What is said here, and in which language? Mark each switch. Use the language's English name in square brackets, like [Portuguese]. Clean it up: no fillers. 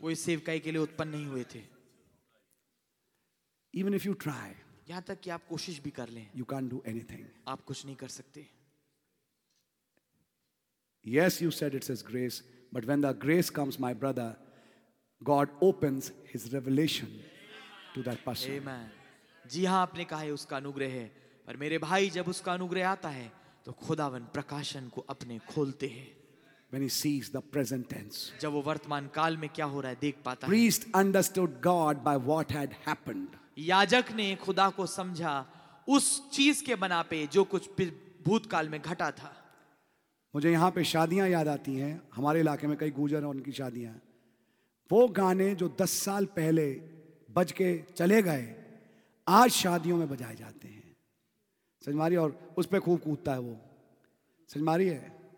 [Hindi] वो इस सेवकाई के लिए उत्पन्न नहीं हुए थे। [English] Even if you try, [Hindi] यहां तक कि आप कोशिश भी कर लें, [English] you can't do anything. [Hindi] आप कुछ नहीं कर सकते। [English] Yes, you said it's His grace, but when the grace comes, my brother, God opens His revelation to that person. Amen. [Hindi] जी हाँ, आपने कहा है उसका अनुग्रह है, पर मेरे भाई जब उसका अनुग्रह आता है तो खुदावन प्रकाशन को अपने खोलते हैं। [English] When he sees the present tense, [Hindi] जब वो वर्तमान काल में क्या हो रहा है देख पाता है। [English] Priest understood God by what had happened. [Hindi] याजक ने खुदा को समझा उस चीज के बना पे जो कुछ भूतकाल में घटा था। मुझे यहाँ पे शादियां याद आती हैं, हमारे इलाके में कई गुजर हैं उनकी शादियां, वो गाने जो 10 साल पहले बज के चले गए आज शादियों में बजाए जाते हैं सजमारी, और उस पर खूब कूदता है वो सजमारी है।